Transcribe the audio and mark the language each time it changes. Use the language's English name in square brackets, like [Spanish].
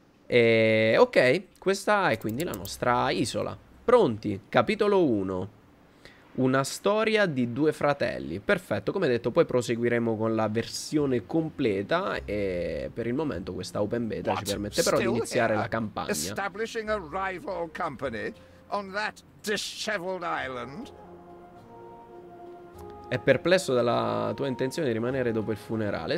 [Italian] E ok, questa è quindi la nostra isola. Pronti? Capitolo 1. Una storia di due fratelli. Perfetto, come detto, poi proseguiremo con la versione completa e per il momento questa open beta ci permette però di iniziare la campagna. [English] Establishing a rival company on that disheveled island. [Italian] È perplesso dalla tua intenzione di rimanere dopo il funerale.